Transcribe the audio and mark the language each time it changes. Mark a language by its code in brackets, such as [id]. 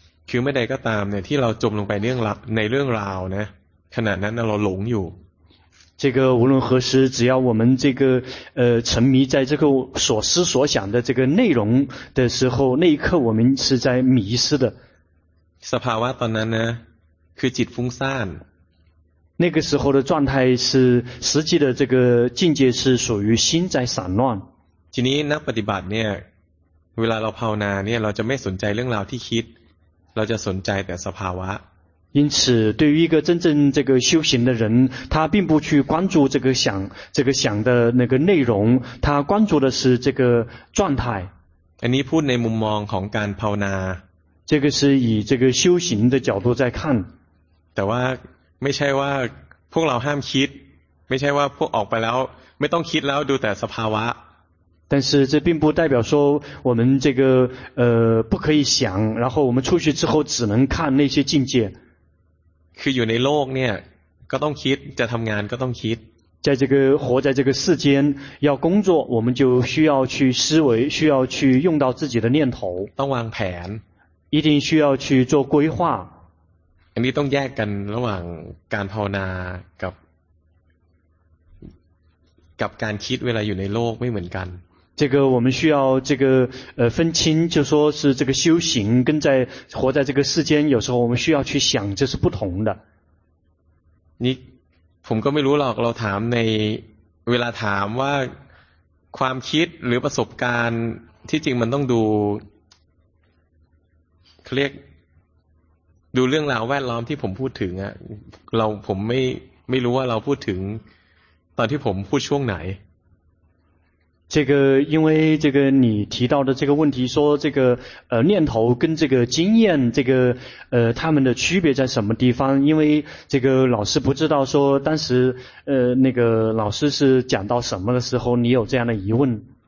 [th] คือไม่ได้ก็ตามเนี่ยที่เราจมลงไปเรื่องในเรื่องราวนะขณะนั้นเราหลงอยู่ [zh] 这个无论何时只要我们这个沉迷在这个所思所想的这个内容的时候那一刻我们是在迷失的 [th] สภาวะตอนนั้นนะคือจิตฟุ้งซ่าน [zh] 那个时候的状态是实际的这个境界是属于心在散乱 [th] ทีนี้นักปฏิบัติเนี่ยเวลาเราภาวนาเนี่ยเราจะไม่สนใจเรื่องราวที่คิดเราจะสนใจแต่สภาวะ [zh] 因此对于一个真正这个修行的人他并不去关注这个想的那个内容他关注的是这个状态 [th] อันนี้พูดในมุมมองของการภาวนา [zh] 这个是以这个修行的角度在看 [th] แต่ว่าไม่ใช่ว่าพวกเราห้ามคิดไม่ใช่ว่าพวกออกไปแล้วไม่ต้องคิดแล้วดูแต่สภาวะ [zh] 但是这并不代表说我们这个不可以想然后我们出去之后只能看那些境界 [th] คืออยู่ในโลกเนี่ยก็ต้องคิดจะทำงานก็ต้องคิด [zh] 在这个活在这个世间要工作我们就需要去思维需要去用到自己的念头 [th] ต้องวางแผน [zh] 一定需要去做规划 [th] อันนี้ต้องแยกกันระหว่างการภาวนากับการคิดเวลาอยู่ในโลกไม่เหมือนกัน [zh] 这个我们需要这个分清就说是这个修行跟在活在这个世间有时候我们需要去想这是不同的 [th] นี่ผมก็ไม่รู้หรอกเราถามในเวลาถามว่าความคิดหรือประสบการณ์ที่จริงมันต้องดูเขาเรียกดูเรื่องราวแวดล้อมที่ผมพูดถึงอะเราผมไม่รู้ว่าเราพูดถึงตอนที่ผมพูดช่วงไหน [zh] 这个因为这个你提到的这个问题说这个念头跟这个经验这个他们的区别在什么地方因为这个老师不知道说当时那个老师是讲到什么的时候你有这样的疑问